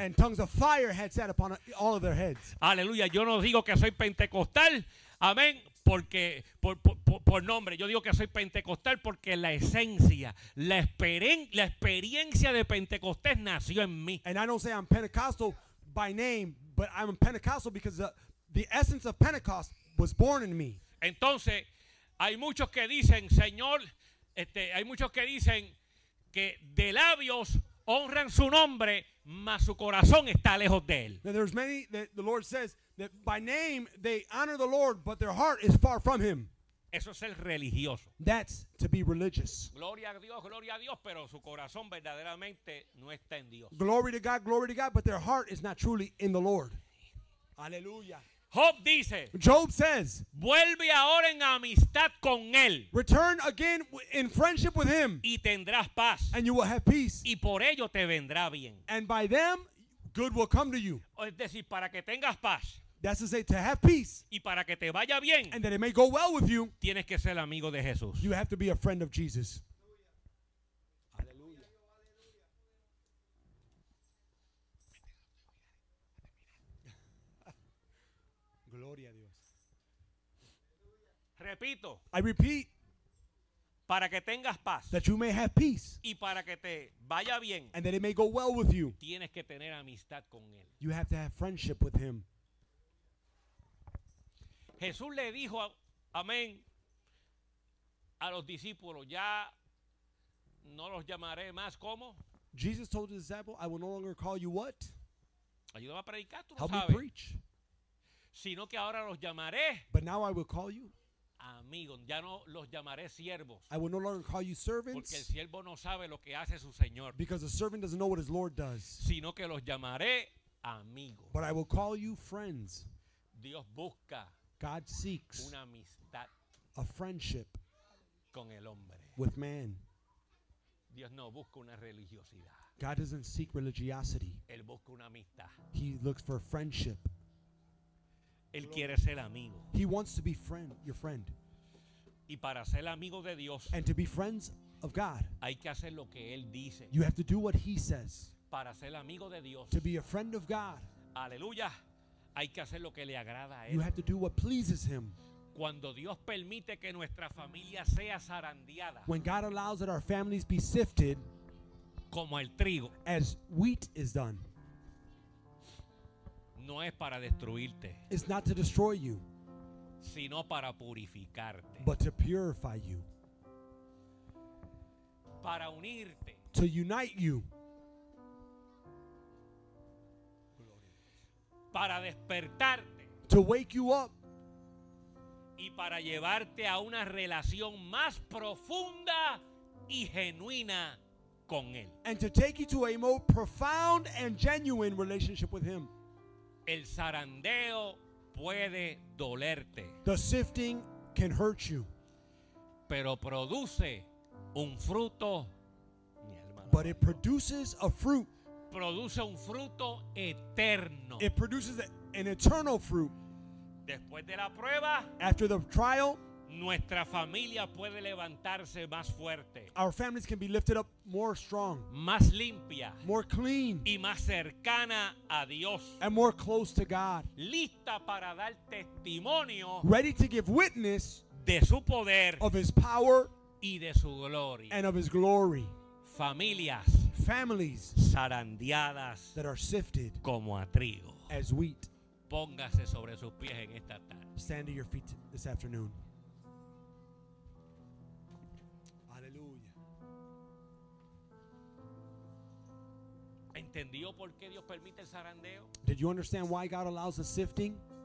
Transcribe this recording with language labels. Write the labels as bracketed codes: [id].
[en] And tongues of fire had sat upon all of their heads. [es] Aleluya, yo no digo que soy pentecostal. Amén. Porque por nombre, yo digo que soy pentecostal porque la esencia, la experiencia de Pentecostés nació en mí. [en] And I don't say I'm Pentecostal by name, but I'm Pentecostal because the essence of Pentecost was born in me. [es] Entonces, hay muchos que dicen, Señor, hay muchos que dicen que de labios honran su nombre, mas su corazón está lejos de él. [en] And there's many that the Lord says that by name they honor the Lord, but their heart is far from him. [es] Eso es ser religioso. [en] That's to be religious. [es] Gloria a Dios, pero su corazón verdaderamente no está en Dios. [en] Glory to God, but their heart is not truly in the Lord. [es] Aleluya. Job dice, [en] Job says, [es] vuelve ahora en amistad con él. [en] Return again in friendship with him. [es] Y tendrás paz. [en] And you will have peace. [es] Y por ello te vendrá bien. [en] And by them, good will come to you. [es] Es decir, para que tengas paz. [en] That's to say, to have peace. [es] Y para que te vaya bien. [en] And that it may go well with you. [es] Tienes que ser amigo de Jesús. [en] You have to be a friend of Jesus. [es] Repito, [en] I repeat, [es] para que tengas paz, [en] that you may have peace, [es] y para que te vaya bien, [en] and that it may go well with you, [es] tienes que tener amistad con él. [en] You have to have friendship with him. [es] Jesús le dijo, amén, a los discípulos, ya no los llamaré más, ¿cómo? [en] Jesus told his disciples, I will no longer call you what? [es] Ayúdame a predicar, tú lo sabes. [en] Help me preach. [es] Sino que ahora los llamaré. [en] But now I will call you. [es] Amigos, ya no los llamaré siervos. [en] I will no longer call you servants. [es] Porque el siervo no sabe lo que hace su señor. [en] Because a servant doesn't know what his lord does. [es] Sino que los llamaré amigos. [en] But I will call you friends. [es] Dios busca. [en] God seeks. [es] Una amistad. [en] A friendship. [es] Con el hombre. [en] With man. [es] Dios no busca una religiosidad. [en] God doesn't seek religiosity. [es] Él busca una amistad. [en] He looks for friendship. [es] Él quiere ser amigo. [en] He wants to be friend, your friend. [es] Y para ser amigo de Dios, [en] and to be friends of God, [es] hay que hacer lo que él dice. [en] You have to do what he says. [es] Para ser amigo de Dios, [en] to be a friend of God, [es] aleluya, hay que hacer lo que le agrada a él. [en] You have to do what pleases him. [es] Cuando Dios permite que nuestra familia sea zarandeada, [en] when God allows that our families be sifted, [es] como el trigo, [en] as wheat is done, [es] no es para destruirte. [en] It's not to destroy you. [es] Sino para purificarte. [en] But to purify you. [es] Para unirte. [en] To unite you. [es] Para despertarte. [en] To wake you up. [es] Y para llevarte a una relación más profunda y genuina con él. [en] And to take you to a more profound and genuine relationship with him. [es] El zarandeo puede dolerte. [en] The sifting can hurt you. [es] Pero produce un fruto. [en] But it produces a fruit. [es] Produce un fruto eterno. [en] It produces an eternal fruit. [es] Después de la prueba. [en] After the trial. [es] nuestra familia puede levantarse más fuerte. [en] Our families can be lifted up more strong. [es] Más limpia. [en] More clean. [es] Y más cercana a Dios. [en] And more close to God. [es] Lista para dar testimonio. [en] Ready to give witness. [es] De su poder. [en] Of his power. [es] Y de su gloria. [en] And of his glory. [es] Familias. [en] Families. [es] Zarandeadas. [en] That are sifted. [es] Como a trigo. [en] As wheat. [es] Póngase sobre sus pies en esta tarde. [en] Stand to your feet this afternoon. [es] ¿Entendió por qué Dios permite el zarandeo? [en] Did you understand why God allows the sifting?